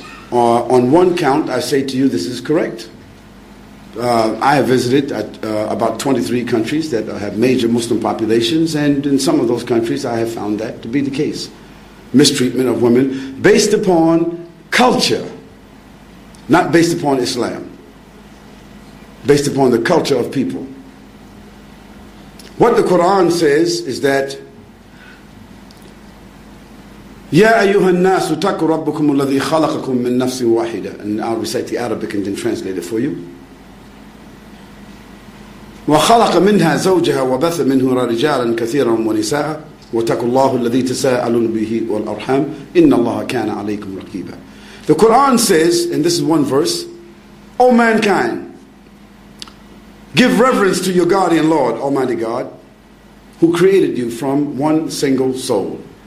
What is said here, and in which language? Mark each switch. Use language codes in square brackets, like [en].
[en] On one count, I say to you, this is correct. I have visited about 23 countries that have major Muslim populations, and in some of those countries I have found that to be the case. Mistreatment of women based upon culture, not based upon Islam, based upon the culture of people. What the Quran says is that [ar] يَا أَيُّهَا النَّاسُ تَقُوا رَبُّكُمُ الَّذِي خَلَقَكُم مِّن نَفْسٍ وَاحِدَةٍ. [en] And I'll recite the Arabic and then translate it for you. [ar] وَخَلَقَ مِنْهَا زَوْجَهَا وَبَثَ مِنْهُمَا رِجَالًا كَثِيرًا وَنِسَاءً وَاتَّقُوا اللَّهَ الَّذِي تَسَاءَلُونَ بِهِ وَالْأَرْحَامَ إِنَّ اللَّهَ كَانَ عَلَيْكُمْ رَقِيبًا. [en] The Quran says, and this is one verse, O mankind, give reverence to your guardian Lord, Almighty God, who created you from one single soul.